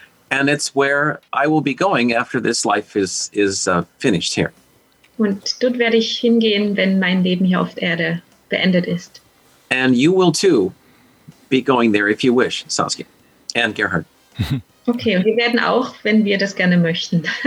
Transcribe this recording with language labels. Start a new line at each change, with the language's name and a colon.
English: And it's where I will be going after this life is finished here.
German: Und dort werde ich hingehen, wenn mein Leben hier auf Erde beendet ist.
English: And you will too be going there if you wish, Saskia and Gerhard.
German: Okay, und wir werden auch, wenn wir das gerne möchten.